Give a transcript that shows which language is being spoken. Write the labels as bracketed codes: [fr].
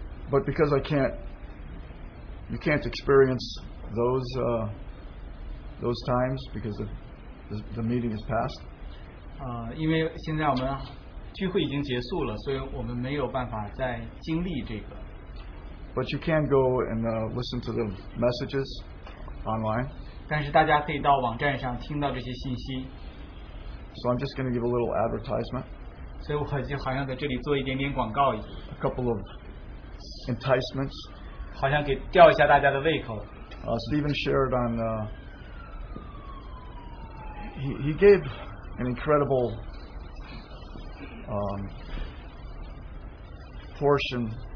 [en] But because I can't, you can't experience those times because the meeting is past. [zh] 因为现在我们聚会已经结束了, 所以我们没有办法再经历这个。 [en] But you can go and listen to the messages online. [zh] 但是大家可以到网站上听到这些信息。 [en] So I'm just going to give a little advertisement. A couple of enticements. Stephen shared on he gave an incredible portion.